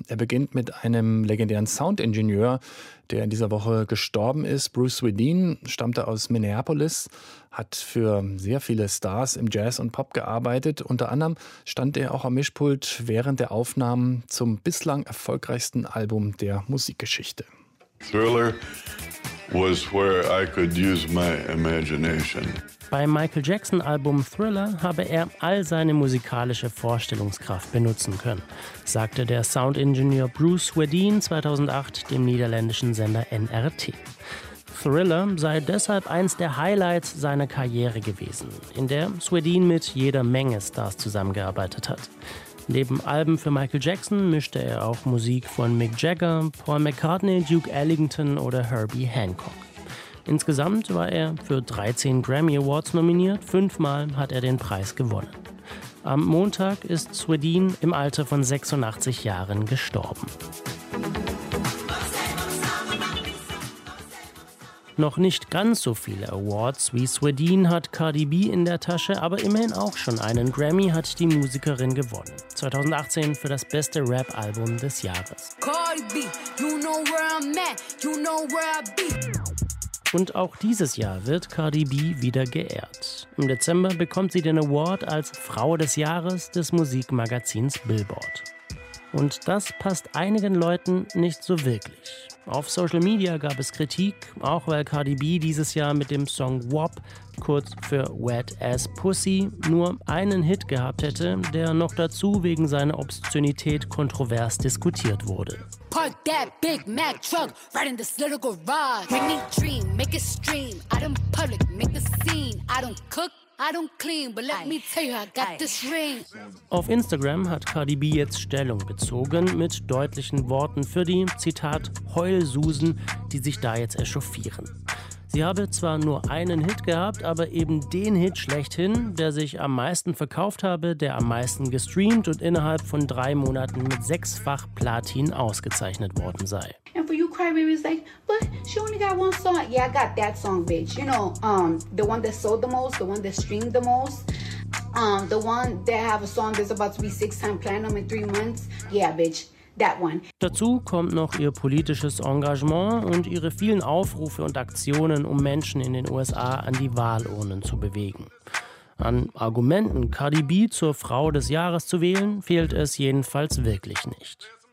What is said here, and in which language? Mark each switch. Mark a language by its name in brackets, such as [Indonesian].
[German] Er beginnt mit einem legendären Soundingenieur, der in dieser Woche gestorben ist. Bruce Swedeen stammte aus Minneapolis, hat für sehr viele Stars im Jazz und Pop gearbeitet. Unter anderem stand er auch am Mischpult während der Aufnahmen zum bislang erfolgreichsten Album der Musikgeschichte. [English] Thriller was where I could use my imagination. [German] Beim Michael Jackson Album Thriller habe er all seine musikalische Vorstellungskraft benutzen können, sagte der Soundingenieur Bruce Swedeen 2008 dem niederländischen Sender NRT. Thriller sei deshalb eins der Highlights seiner Karriere gewesen, in der Swedeen mit jeder Menge Stars zusammengearbeitet hat. Neben Alben für Michael Jackson mischte er auch Musik von Mick Jagger, Paul McCartney, Duke Ellington oder Herbie Hancock. Insgesamt war er für 13 Grammy Awards nominiert, 5-mal hat er den Preis gewonnen. Am Montag ist Swedeen im Alter von 86 Jahren gestorben. Noch nicht ganz so viele Awards wie Swedeen hat Cardi B in der Tasche, aber immerhin auch schon einen Grammy hat die Musikerin gewonnen. 2018 für das beste Rap-Album des Jahres. [English] Cardi B, you know where I'm at, you know where I be. [German] Und auch dieses Jahr wird Cardi B wieder geehrt. Im Dezember bekommt sie den Award als Frau des Jahres des Musikmagazins Billboard. Und das passt einigen Leuten nicht so wirklich. Auf Social Media gab es Kritik, auch weil Cardi B dieses Jahr mit dem Song WAP, kurz für Wet Ass Pussy, nur einen Hit gehabt hätte, der noch dazu wegen seiner Obszönität kontrovers diskutiert wurde. [English] Park that Big Mac truck right in this little garage. Make me dream, make it stream. I don't public, make the scene. I don't cook. I don't clean, but let me tell you, I got this ring. [German] Auf Instagram hat Cardi B jetzt Stellung bezogen mit deutlichen Worten für die, Zitat, Heulsusen, die sich da jetzt echauffieren. Sie habe zwar nur einen Hit gehabt, aber eben den Hit schlechthin, der sich am meisten verkauft habe, der am meisten gestreamt und innerhalb von 3 Monaten mit 6-fach Platin ausgezeichnet worden sei. [English] And for you crybabies like, but she only got one song. Yeah, I got that song, bitch. You know, the one that sold the most, the one that streamed the most. The one that have a song that's about to be 6-time platinum in 3 months. Yeah, bitch. That one. [German] Dazu kommt noch ihr politisches Engagement und ihre vielen Aufrufe und Aktionen, um Menschen in den USA an die Wahlurnen zu bewegen. An Argumenten, Cardi B zur Frau des Jahres zu wählen, fehlt es jedenfalls wirklich nicht.